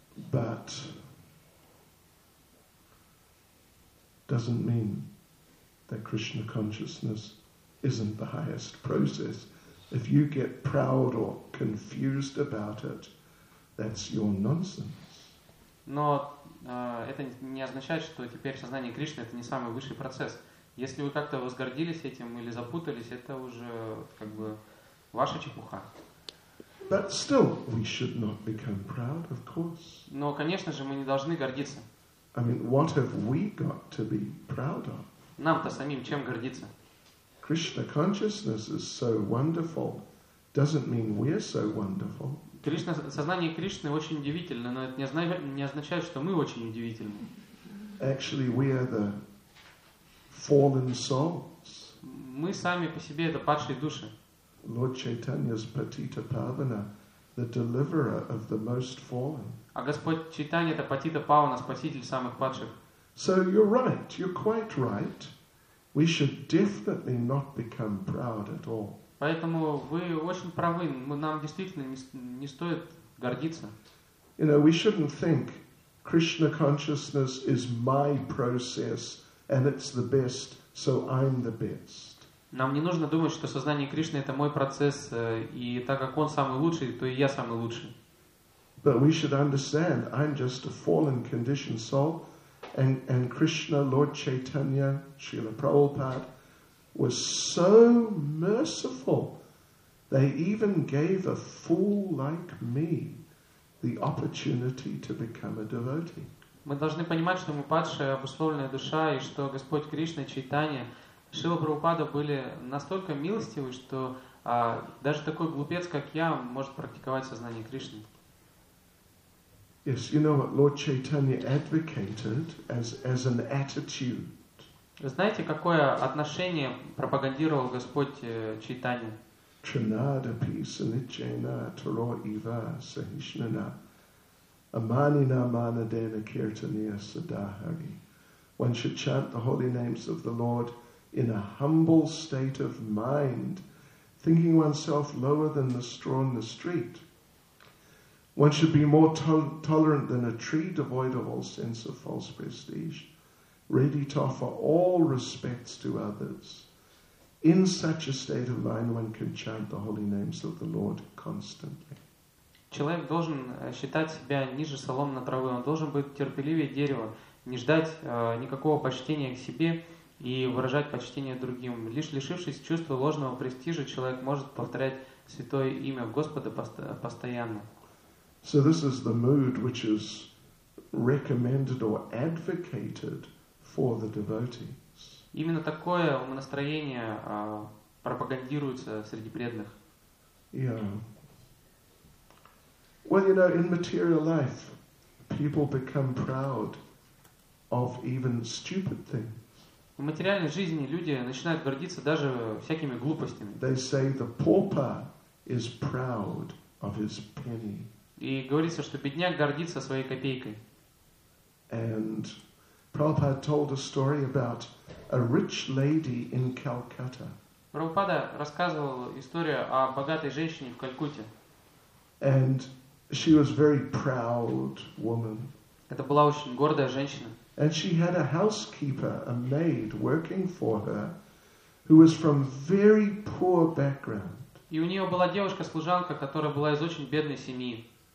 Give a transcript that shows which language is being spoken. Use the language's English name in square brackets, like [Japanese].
[English] But doesn't mean that Krishna consciousness isn't the highest process. If you get proud or confused about it, that's your nonsense. [Russian] Но это не означает, что теперь сознание Кришны это не самый высший процесс. Если вы как-то возгордились этим или запутались, это уже как бы ваша чепуха. [English] But still, we should not become proud, of course. [Russian] Но, конечно же, мы не должны гордиться. [English] I mean, what have we got to be proud of? [Russian] Нам-то самим чем гордиться? [English] Krishna consciousness is so wonderful. Doesn't mean we're so wonderful. [Russian] Кришна, сознание Кришны очень удивительно, но это не означает, что мы очень удивительны. [English] Actually, we are the fallen souls. [Russian] Мы сами по себе это падшие души. [English] Lord Chaitanya's Patita Pavana, the deliverer of the most fallen. [Russian] А Господь Чайтанья это Патита Павана, спаситель самых падших. [English] So you're right. You're quite right. We should definitely not become proud at all. [Russian] Поэтому вы очень правы. Нам действительно не стоит гордиться. [English] You know, we shouldn't think Krishna consciousness is my process and it's the best, so I'm the best. [Russian] Нам не нужно думать, что сознание Кришны это мой процесс, и так как он самый лучший, то и я самый лучший. [English] But we should understand I'm just a fallen conditioned soul. And Krishna, Lord Chaitanya, Srila Prabhupada, was so merciful, they even gave a fool like me the opportunity to become a devotee. [Russian] Мы должны понимать, что мы падшая, обусловленная душа, и что Господь Кришна, Чайтанья, Шрила Прабхупада были настолько милостивы, что А даже такой глупец, как я, может практиковать сознание Кришны. [English] Yes, you know what Lord Chaitanya advocated as an attitude. [Russian] Знаете, какое отношение пропагандировал Господь Чайтанья? [Sanskrit] Trinada pisanichena taro eva sahishnana amanina manadena kirtaniya sadahari. [English] One should chant the holy names of the Lord in a humble state of mind, thinking oneself lower than the straw in the street. One should be more tolerant than a tree, devoid of all sense of false prestige, ready to offer all respects to others. In such a state of mind, one can chant the holy names of the Lord constantly. [Russian] Человек должен считать себя ниже соломенной травы. Он должен быть терпеливее дерева, не ждать никакого почтения к себе и выражать почтение другим. Лишь лишившись чувства ложного престижа, человек может повторять святое имя Господа постоянно. [English] So this is the mood which is recommended or advocated for the devotees. [Russian] Именно такое настроение пропагандируется среди преданных. [English] Yeah. Well, you know, in material life, people become proud of even stupid things. [Russian] В материальной жизни люди начинают гордиться даже всякими глупостями. [English] They say the pauper is proud of his penny. [Russian] И говорится, что бедняк гордится своей копейкой. [English] And Prabhupada told a story about a rich lady in Calcutta. [Russian] Прабхупада рассказывал историю о богатой женщине в Калькутте. [English] And she was a very proud woman. [Russian] Это была очень гордая женщина. [English] And she had a housekeeper, a maid, working for her, who was from very poor background. [Russian] И у нее была девушка-служанка, которая была из очень бедной семьи.